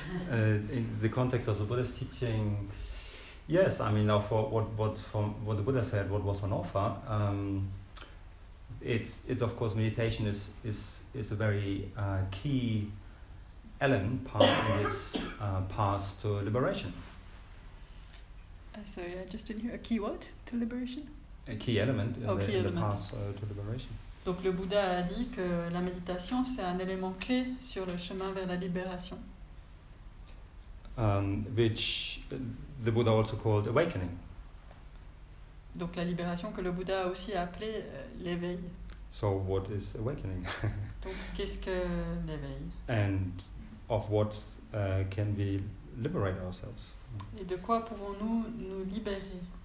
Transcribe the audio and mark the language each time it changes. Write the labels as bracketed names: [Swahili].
[English] In the context of the Buddha's teaching, yes, I mean, for what the Buddha said, what was on offer, it's of course meditation is a very key element part of this path to liberation. Sorry, I just didn't hear a key what to liberation? A key element in, oh, the, key in element. The path to liberation. [French] Donc le Bouddha a dit que la méditation c'est un élément clé sur le chemin vers la libération. [English] Which the Buddha also called awakening. [French] Donc la libération que le Bouddha a aussi appelé l'éveil. [English] So what is awakening? [French] Donc qu'est-ce que l'éveil? [English] And of what can we liberate ourselves? [French] Et de quoi pouvons-nous nous libérer?